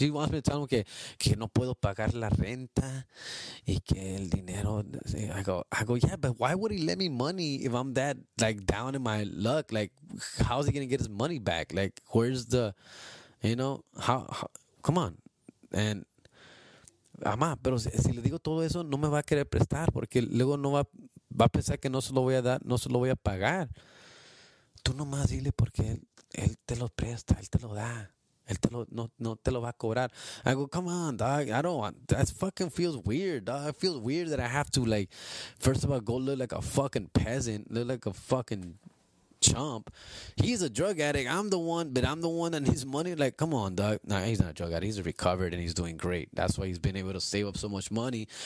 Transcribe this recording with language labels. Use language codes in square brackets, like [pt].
[en] She wants me to tell him [es] que no puedo pagar la renta y que el dinero. [en] I go, yeah, but why would he lend me money if I'm that like down in my luck? Like, how's he gonna get his money back? Like, where's the, you know, how come on? [es] And ama, pero si le digo todo eso, no me va a querer prestar porque luego no va a pensar que no se lo voy a dar, no se lo voy a pagar. Tú nomás dile porque él te lo presta, él te lo da. Él te lo, no te lo va a cobrar. [en] I go, come on, dog. I don't want... That fucking feels weird, dog. It feels weird that I have to, like... First of all, go look like a fucking peasant. Look like a fucking chump. He's a drug addict. I'm the one and his money. Like, come on, dog. Nah, he's not a drug addict. He's recovered and he's doing great. That's why he's been able to save up so much money.